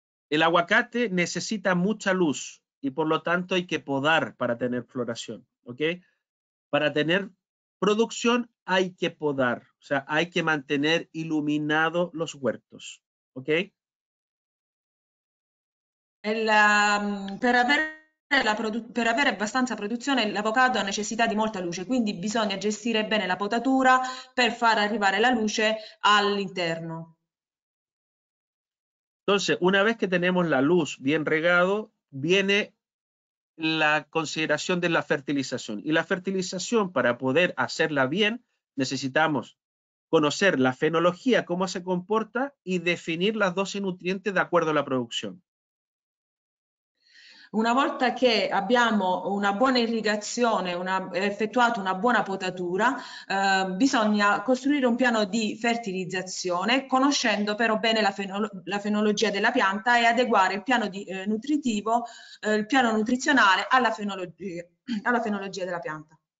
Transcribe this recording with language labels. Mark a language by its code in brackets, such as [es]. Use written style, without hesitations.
[es] El aguacate necesita mucha luz y por lo tanto hay que podar para tener floración, ¿ok? Para tener producción hay que podar, o sea, hay que mantener iluminado los huertos, ¿ok? [it] Per avere abbastanza produzione, l'avocado ha necessità di molta luce, quindi bisogna gestire bene la potatura per far arrivare la luce all'interno. [es] Entonces, una vez que tenemos la luz bien regado, viene la consideración de la fertilización. Y la fertilización, para poder hacerla bien, necesitamos conocer la fenología, cómo se comporta, y definir las dosis nutrientes de acuerdo a la producción. [it] Una volta che abbiamo una buona irrigazione, effettuato una buona potatura, bisogna costruire un piano di fertilizzazione, conoscendo però bene la fenologia della pianta e adeguare il piano nutritivo, il piano nutrizionale alla fenologia della pianta.